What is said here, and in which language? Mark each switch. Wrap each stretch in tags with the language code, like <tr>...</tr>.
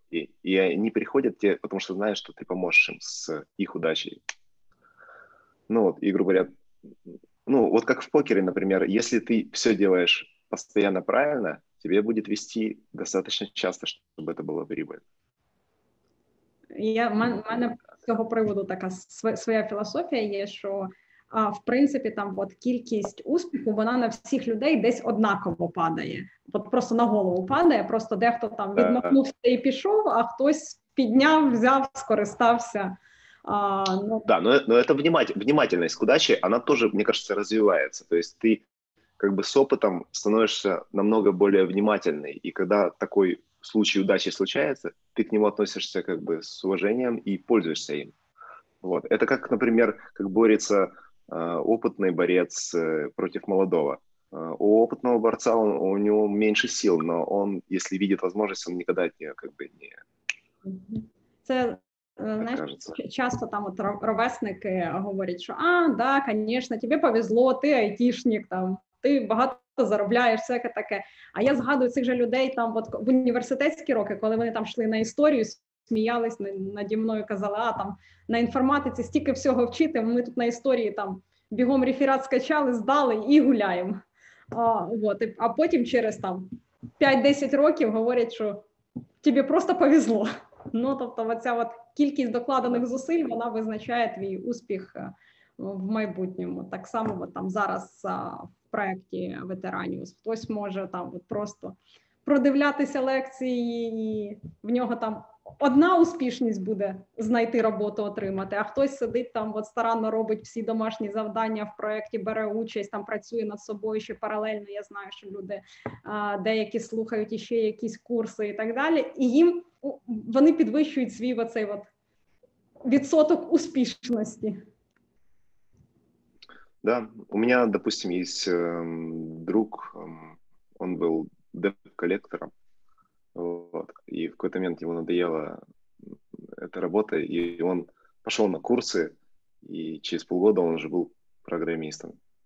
<ru>И они приходят тебе, потому что знают, что ты поможешь им с их удачей. Ну, вот, и, грубо говоря, ну, вот как в покере, например, если ты все делаешь постоянно правильно, тебе будет вести достаточно часто, чтобы это было прибыльно.</ru> <uk>Я, мене з цього приводу така своя філософія є, що в принципі там от кількість успіху, вона на всіх людей десь однаково падає. От просто на голову падає, просто дехто там відмахнувся і пішов, а хтось підняв, взяв, скористався. Ну...</uk> <ru>Да, но это внимательность к удаче, она тоже, мне кажется, развивается. То есть ты как бы с опытом становишься намного более внимательной, и когда такой случай удачи случается, ты к нему относишься как бы с уважением и пользуешься им. Вот. Это как, например, как борется опытный борец против молодого. У опытного борца у него меньше сил, но он, если видит возможность, он никогда от нее как бы не Знаешь, часто там вот ровесники говорят, что «А, да, конечно, тебе повезло, ты айтишник, там,</ru> <uk>ты багато заробляєш, всяке таке. А я згадую цих же людей там от, в університетські роки, коли вони там йшли на історію, сміялись наді мною, казали, а там на інформатиці стільки всього вчити, ми тут на історії там бігом реферат скачали, здали і гуляємо. А потім через там 5-10 років говорять, що тобі просто повезло. Ну, тобто оця от кількість докладених зусиль, вона визначає твій успіх в майбутньому. Так само от, там зараз проєкті ветеранів. Хтось може там от просто продивлятися лекції, і в нього там одна успішність буде знайти роботу, отримати, а хтось сидить там, от старанно робить всі домашні завдання в проєкті, бере участь, там працює над собою ще паралельно. Я знаю, що люди деякі слухають іще якісь курси і так далі, і їм вони підвищують свій оцей от відсоток успішності.</uk> <ru>Да, у меня, допустим, есть друг, он был деп-коллектором, вот, и в какой-то момент ему надоела эта работа, и он пошел на курсы, и через полгода он уже был программистом.</ru>